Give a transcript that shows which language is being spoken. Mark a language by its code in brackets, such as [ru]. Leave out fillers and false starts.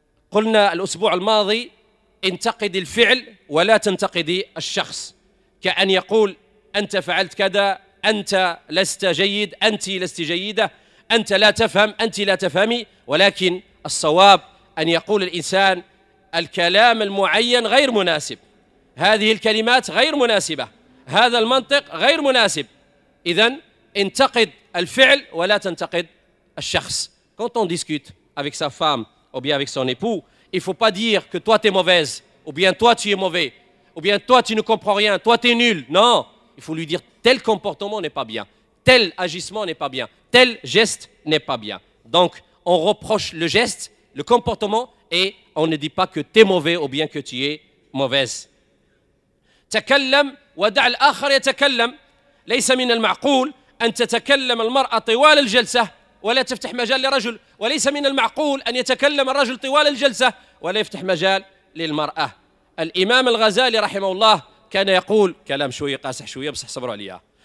[ar] قلنا الأسبوع الماضي انتقد الفعل ولا تنتقد الشخص، كأن يقول أنت فعلت كذا، أنت لست جيد، أنت لست جيدة، أنت لا تفهم، أنت لا تفهمي. ولكن الصواب أن يقول الإنسان الكلام المعين غير مناسب، هذه الكلمات غير مناسبة، هذا المنطق غير مناسب. إذن انتقد الفعل ولا تنتقد الشخص. [fr] Quand on discute avec sa femme ou bien avec son époux, il faut pas dire que toi t'es mauvaise, ou bien toi tu es mauvais, ou bien toi tu ne comprends rien, toi t'es nul. Non, il faut lui dire tel comportement n'est pas bien, tel agissement n'est pas bien, tel geste n'est pas bien. Donc on reproche le geste, le comportement, et on ne dit pas que t'es mauvais ou bien que tu es mauvaise. [ar] تكلم ودع الآخر يتكلم. ليس من المعقول أن تتكلم المرأة طوال الجلسة ولا تفتح مجال لرجل، وليس من المعقول أن يتكلم الرجل طوال الجلسة ولا يفتح مجال للمرأة. الإمام الغزالي رحمه الله كان يقول كلام شوية قاسح شوية بس صبروا عليها.